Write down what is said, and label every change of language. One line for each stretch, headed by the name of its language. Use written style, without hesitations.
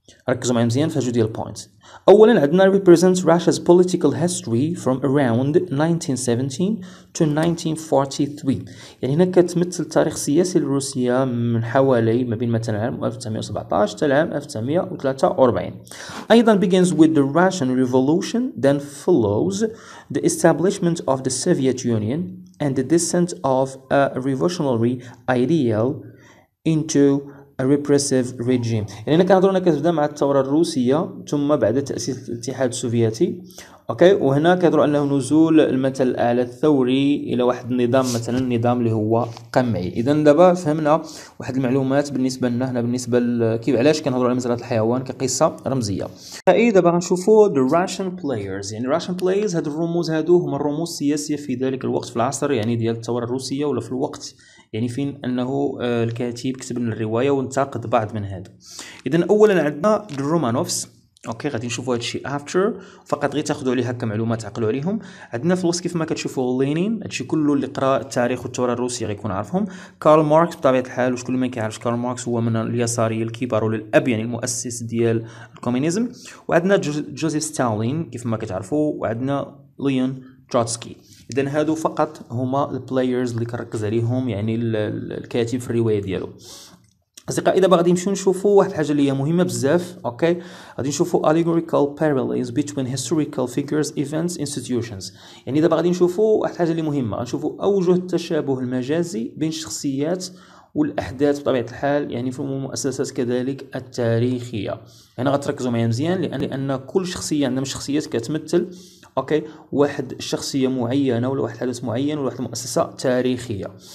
Arabic: ركزوا معايا مزيان في جوج ديال البوينتس. اولا عندنا
English: represent Russia's political history from around 1917 to 1943،
Arabic: يعني هنا كتمثل التاريخ السياسي لروسيا من حوالي ما بين مثلا عام 1917 حتى عام 1943.
English: ايضا begins with the Russian revolution then follows the establishment of the Soviet Union and the descent of a revolutionary ideal into a repressive regime.
Arabic: يعني كنهضروا هنا كتبدا مع الثوره الروسيه ثم بعد تاسيس الاتحاد السوفيتي، اوكي. وهنا كيهضروا انه نزول المثل الاعلى الثوري الى واحد النظام، مثلا النظام اللي هو قمعي. اذا دابا فهمنا واحد المعلومات بالنسبه لنا هنا، بالنسبه كيف علاش كنهضروا على مزرعه الحيوان كقصه رمزيه. اي دابا غنشوفوا
English: the Russian players.
Arabic: يعني Russian players هاد الرموز هادو هما الرموز السياسيه في ذلك الوقت في العصر يعني ديال الثوره الروسيه، ولا في الوقت يعني فين انه الكاتب كتب لنا الروايه وانتقد بعض من هادو. اذا اولا عندنا the Romanovs. اوكي غادي نشوفوا هذا الشيء افتر، فقط غير تاخذوا عليه هكا معلومات عقلوا عليهم. عندنا في الوسط كيف ما كتشوفوا لينين، هادشي كله اللي قرا التاريخ والثوره الروسيه غيكون عارفهم. كارل ماركس بطبيعه الحال، وشكون ما كيعرفش كارل ماركس، هو من اليساري الكبار والاب يعني المؤسس ديال الكومينيزم. وعندنا جوزيف ستالين كيف ما كتعرفوا، وعندنا ليون تروتسكي. اذا هادو فقط هما البلايرز اللي كنركز عليهم يعني الكاتب في الروايه ديالو. اصدقائي دابا غادي نمشيو نشوفوا واحد الحاجه اللي هي مهمه بزاف. اوكي غادي نشوفوا
English: allegorical parallels between historical figures events institutions.
Arabic: يعني دابا غادي نشوفوا واحد الحاجه اللي مهمه، نشوفوا اوجه التشابه المجازي بين الشخصيات والاحداث بطبيعه الحال يعني في المؤسسات كذلك التاريخيه. هنا يعني غتركزوا معايا مزيان، لان كل شخصيه عندنا شخصيات كتمثل اوكي واحد الشخصيه معينه ولا واحد الحدث معين ولا واحد المؤسسه تاريخيه.